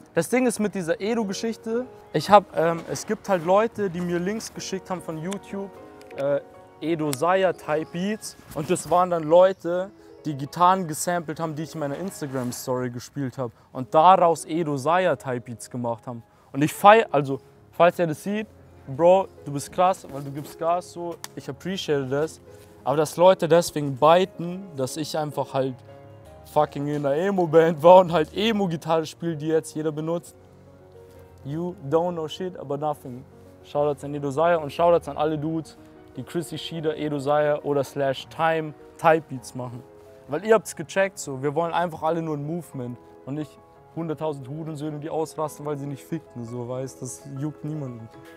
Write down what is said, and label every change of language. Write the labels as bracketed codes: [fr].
[de] Das Ding ist mit dieser Edo-Geschichte, ich hab, es gibt halt Leute, die mir Links geschickt haben von YouTube, Edo-Saya-Type Beats, und das waren dann Leute, die Gitarren gesampelt haben, die ich in meiner Instagram-Story gespielt habe und daraus Edo-Saya-Type Beats gemacht haben. Und ich feier, also, falls ihr das sieht, Bro, du bist krass, weil du gibst Gas so, ich appreciate das. Aber dass Leute deswegen biten, dass ich einfach halt fucking in einer Emo-Band war und halt Emo-Gitarre spiele, die jetzt jeder benutzt. [en] You don't know shit, aber nothing. [de] Shoutouts an Edo Saya und Shoutouts an alle Dudes, die Chrissy Schieder, Edo Saya oder / Time Type Beats machen. Weil ihr habt's gecheckt so, wir wollen einfach alle nur ein Movement und nicht 100.000 Hurensöhne, die ausrasten, weil sie nicht ficken, so weißt, das juckt niemanden.